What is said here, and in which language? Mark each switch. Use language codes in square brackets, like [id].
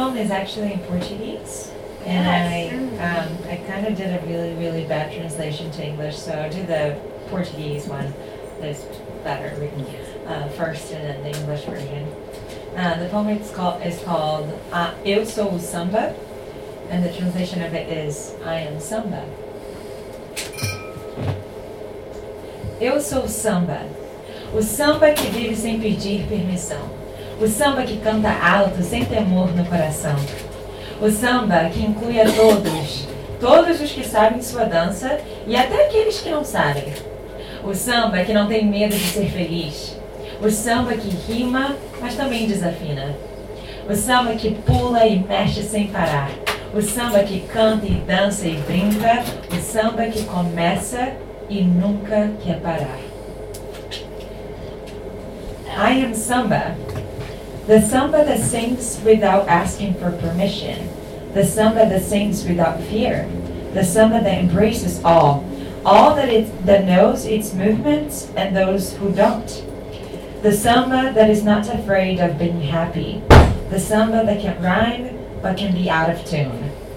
[en] Actually in Portuguese, and I kind of did a really, really bad translation to English, so I'll do the Portuguese one that's better written first, and then the English version. The poem is called Eu Sou Samba, and the translation of it is I Am Samba. [pt] Eu Sou Samba, o samba que vive sem pedir permissão. O samba que canta alto, sem temor no coração. O samba que inclui a todos, todos os que sabem sua dança e até aqueles que não sabem. O samba que não tem medo de ser feliz. O samba que rima, mas também desafina. O samba que pula e mexe sem parar. O samba que canta e dança e brinca. O samba que começa e nunca quer parar. [en] I am samba. The samba that sings without asking for permission. The samba that sings without fear. The samba that embraces all that knows its movements and those who don't. The samba that is not afraid of being happy. The samba that can rhyme but can be out of tune.